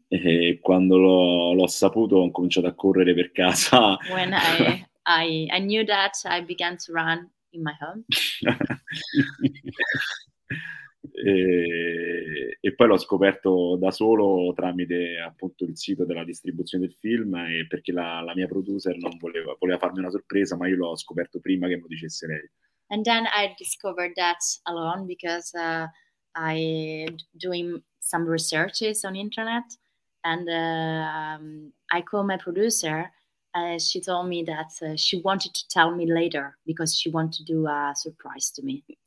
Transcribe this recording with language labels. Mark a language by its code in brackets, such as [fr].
[it] E quando l'ho saputo, ho cominciato a correre per casa. [en] When I knew that, I began to run in my home. [it] E poi l'ho scoperto da solo tramite appunto il sito della distribuzione del film e perché la mia producer non voleva farmi una sorpresa, ma io l'ho scoperto prima che me lo dicesse lei. [en] And then I discovered that alone because I doing some researches on internet and I called my producer and she told me that she wanted to tell me later because she wanted to do a surprise to me.